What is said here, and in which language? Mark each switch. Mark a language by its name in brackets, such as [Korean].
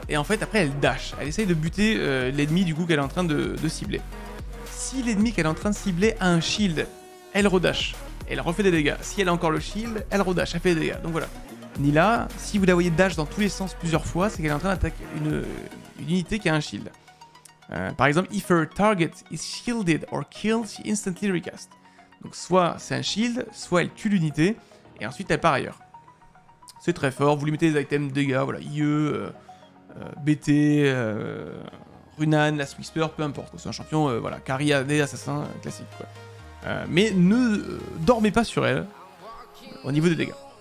[French] Et en fait, après, elle dash. Elle essaye de buter l'ennemi, du coup, qu'elle est en train de cibler. Si l'ennemi qu'elle est en train de cibler a un shield, elle redash. Elle refait des dégâts. Si elle a encore le shield, elle redash, elle fait des dégâts. Donc voilà. Nilah, si vous la voyez dash dans tous les sens plusieurs fois, c'est qu'elle est en train d'attaquer une unité qui a un shield. Par exemple, [English] if her target is shielded or killed, she instantly recast. [French] Donc soit c'est un shield, soit elle tue l'unité, et ensuite elle part ailleurs. C'est très fort, vous lui mettez des items dégâts, voilà, IE, BT, Runan, Last Whisper, peu importe. C'est un champion, voilà, carry AD, assassin, classique, quoi. Mais ne dormez pas sur elle, au niveau des dégâts.